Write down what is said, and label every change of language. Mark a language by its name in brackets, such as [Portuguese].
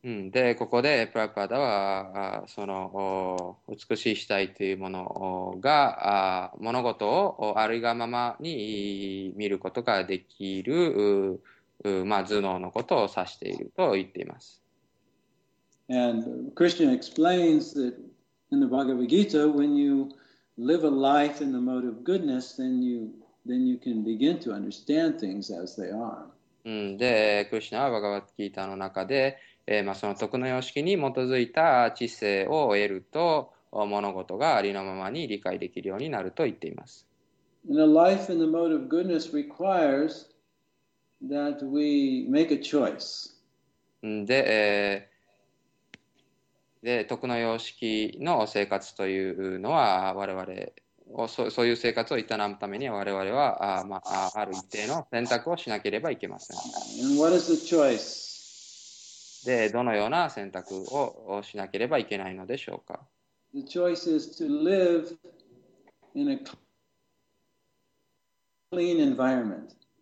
[Japanese] でここでプラパダはその美しい死体というものが物事をあるがままに見ることができる、まあ、頭脳のことを指していると言っています。 [English] And Krishna explains that in the Bhagavad Gita when you live a life in the mode of goodness then you can begin to understand things as they are、 [Japanese] でクリシナはバガバッドギータの中でまあ、その徳の様式に基づいた知性を得ると物事がありのままに理解できるようになると言っています。 [English] And a life in the mode of goodness requires that we make a choice. [Japanese] で、で徳の様式の生活というのは我々をそういう生活を営むために我々は、まあ、ある一定の選択をしなければいけません。 [English] And what is the choice? [Japanese] でどのような選択をしなければいけないのでしょうか。 [English] The choice is to live in a clean environment.